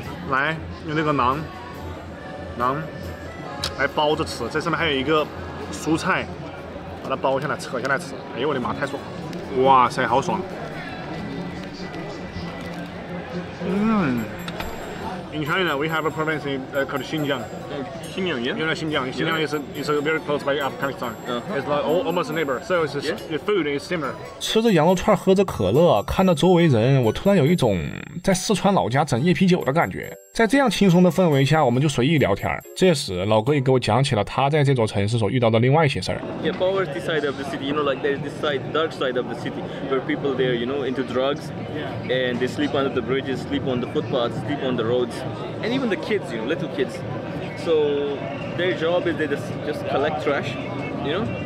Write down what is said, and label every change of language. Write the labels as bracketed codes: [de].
[zh] 来用那个馕来包着吃，这上面还有一个蔬菜，把它包下来扯下来吃，哎呦我的妈，太爽，哇塞好爽。 [en] In China, we have a province in, called Xinjiang. Xinjiang, yeah? You know Xinjiang. Xinjiang is very close by Afghanistan. It's like almost a neighbor. So it's the food is similar. [zh] 吃着羊肉串，喝着可乐，看着周围人，我突然有一种在四川老家整夜啤酒的感觉。在这样轻松的氛围下，我们就随意聊天。这时，老哥也给我讲起了他在这座城市所遇到的另外一些事儿。 [en] Yeah, poverty side of the city, you know, like there's this side, dark side of the city, where people there, you know, into drugs, and they sleep under the bridges, sleep on the footpaths, sleep on the roads, and even the kids, you know, little kids. So their job is they just collect trash, you know.